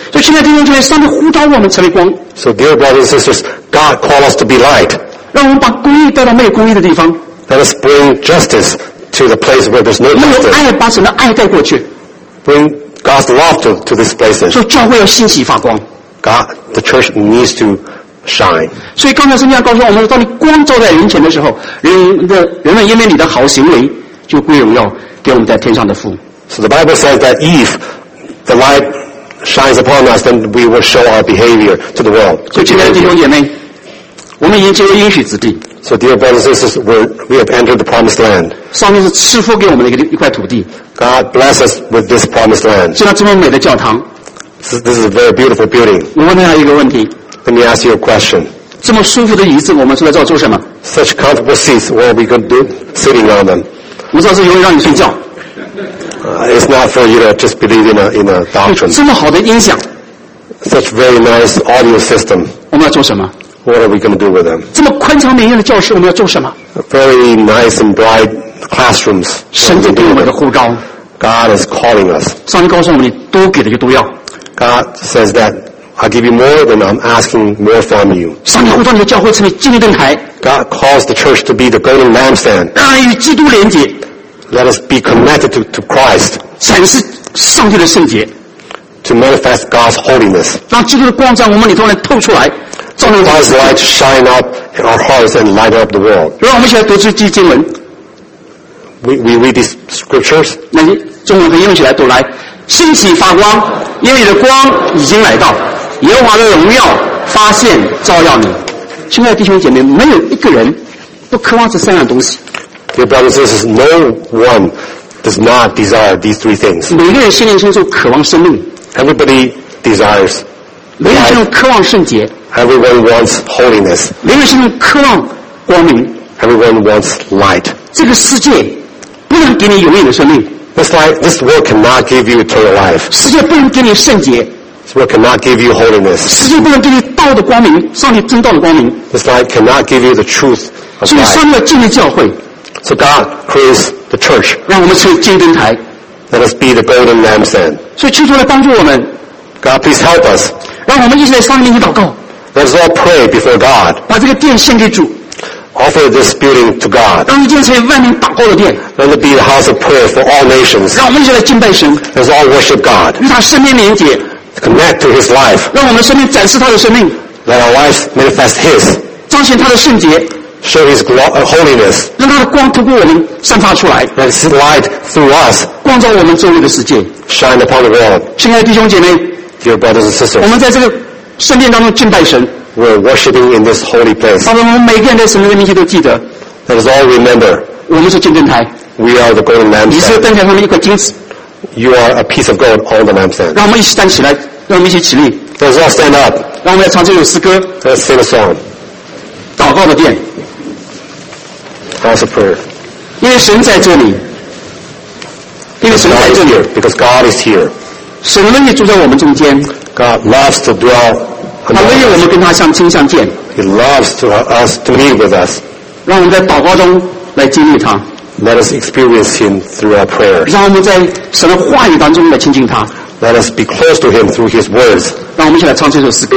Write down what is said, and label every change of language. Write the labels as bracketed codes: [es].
[zh] 所以，亲爱的弟兄姐妹，上帝呼召我们成为光。 [en] So, dear brothers and sisters, God calls us to be light. [zh] 让我们把公义带到没有公义的地方。 [en] Let us bring justice to the place where there's no justice. [zh] 用爱把神的爱带过去。 [en] Bring. God's love to these places. [zh] 所以教会要兴起发光。 [en] God, the church needs to shine. [zh] 所以刚才圣经告诉我们，当你光照在人前的时候，人们因为你的好行为，就归荣耀给我们在天上的父。 [en] So the Bible says that if the light shines upon us, then we will show our behavior to the world. [zh] 所以亲爱的弟兄姐妹，我们已经进入应许之地。 [en] So dear brothers and sisters, we have entered the promised land. [zh] 上帝是赐福给我们的一块土地。 [en] God bless us with this promised land. [zh] 建了这么美的教堂。 [en] This is a very beautiful building. [zh] 我问大家一个问题。 [en] Let me ask you a question. [zh] 这么舒服的椅子，我们坐在这儿做什么 [en] ？Such comfortable seats, what are we going to do sitting on them? [zh] 我们这是因为让你睡觉。 [en] It's not for you to just believe in a doctrine. [zh] 这么好的音响。 [en] Such very nice audio system. [zh] 我们要做什么？ [en] What are we going to do with them? [zh] 这么宽敞美艳的教室，我们要做什么 [en] ？Very nice and bright classrooms. [zh] 神在对我们的呼召。 [en] God is calling us. [zh] 上帝告诉我们，你多给的就多要。 [en] God says that I'll give you more than I'm asking more from you. [zh] 上帝呼召你的教会成为金灯台。 [en] God calls the church to be the golden lampstand. [zh] 让与基督连结。 [en] Let us be connected to Christ. [zh] 展示上帝的圣洁。 [en] To manifest God's holiness. [zh] 让基督的光在我们里头来透出来。 [en] God's light shine up in our hearts and light up the world. [zh] 让我们一起来读这句经文。 [en] We read these scriptures. [zh] 那中文和英文起来读来。兴起发光，因为你的光已经来到，耶和华的荣耀发现照耀你。亲爱的弟兄姐妹，没有一个人不渴望这三样东西。 [en] Dear brothers and sisters, no one does not desire these three things. [zh] 每个人心灵深处渴望生命。 [en] Everybody desires. [zh] 每个人渴望圣洁。 [en] Everyone wants holiness. [zh] 每个人心中渴望光明。 [en] Everyone wants light. [zh] 这个世界不能给你永远的生命。 [en] This world cannot give you eternal life. [zh] 世界不能给你圣洁。 [en] This world cannot give you holiness. [zh] 世界不能给你道的光明，上帝真道的光明。 [en] This life cannot give you the truth of life. [zh] 所以上帝要建立教会。 [en] So God creates the church. [zh] 让我们成为金灯台。 [en] Let us be the golden lampstand. [zh] 所以求主来帮助我们。 [en] God, please help us. [zh] 让我们一起在上帝面前祷告。 [en] Let us all pray before God. [zh] 把这个殿献给主。 [en] Offer this building to God. [zh] 让一间成为万民祷告的殿。 [en] Let it be the house of prayer for all nations. [zh] 让我们一起来敬拜神。 [en] Let us all worship God. [zh] 与他生命连结。 [en] Connect to His life. [zh] 让我们生命展示他的生命。 [en] Let our lives manifest His. [zh] 彰显他的圣洁。 [en] Show His holiness. [zh] 让他的光透过我们散发出来。 [en] Let His light through us. [zh] 光照我们周围的世界。 [en] Shine upon the world. [zh] 亲爱的弟兄姐妹。 [en] Dear brothers and sisters. [zh] 我们在这个圣殿当中敬拜神。 [en] We're worshiping in this holy place. [zh] 让我们每个人在神的面前都记得。 [en] Let us all remember. [zh] 我们是金灯台。 [en] We are the golden lampstand. [zh] 你是灯台上的一块金子。 [en] You are a piece of gold on the lampstand. [zh] 让我们一起站起来，让我们一起起立。 [en] Let us all stand up. [zh] 让我们来唱这首诗歌。 [en] Let's sing a song. [zh] 祷告的殿。 [en] House of prayer. [zh] 因为神在这里。因为神在这里。 [en] Because God is here. [zh] 神乐意住在我们中间。 [en] God loves to dwell. [zh] 他乐意我们跟他相亲相见。 [en] He loves to us to meet with us. [zh] 让我们在祷告中来经历他。 [en] Let us experience Him through our prayer. [zh] 让我们在神的话语当中来亲近他。 [en] Let us be close to Him through His words. [zh] 让我们一起来唱这首诗歌。